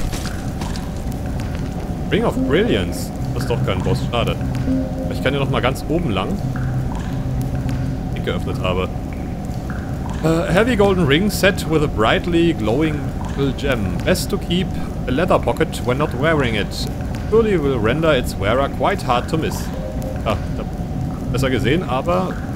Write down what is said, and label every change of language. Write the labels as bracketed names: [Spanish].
[German] Oh. Ring of Brilliance. Das ist doch kein Boss, schade. Ich kann ja noch mal ganz oben lang. Ich geöffnet habe. [English] A heavy golden ring set with a brightly glowing gem. Best to keep a leather pocket when not wearing it. Surely will render its wearer quite hard to miss. [German] Ah, ja, besser gesehen, aber.